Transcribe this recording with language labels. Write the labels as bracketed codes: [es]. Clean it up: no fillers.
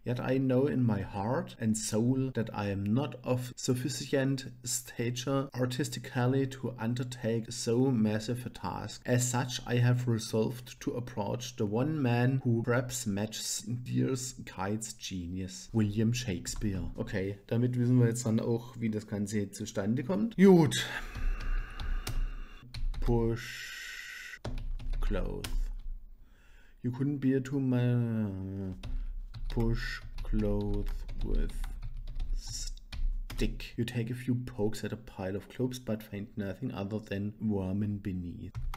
[en] Yet I know in my heart and soul that I am not of sufficient stature artistically to undertake so massive a task. As such, I have resolved to approach the one man who perhaps matches Dear's Kite's Genius, William Shakespeare. [de] Okay, damit wissen wir jetzt dann auch, wie das Ganze zustande kommt. Gut. [en] Push. Clothes. You couldn't bear to push clothes with stick. You take a few pokes at a pile of clothes, but find nothing other than vermin beneath.